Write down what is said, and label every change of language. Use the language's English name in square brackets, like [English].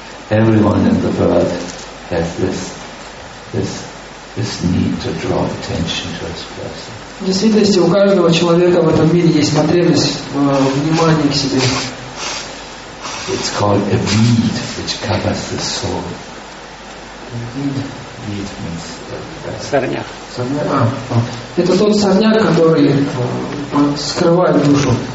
[English] Everyone in the world has this need to draw attention to his person. [Russian] В действительности у каждого человека в этом мире есть потребность внимания к себе. [English] It's called a need which covers the soul. Need means [Russian] сорняк. Это тот сорняк, который скрывает душу.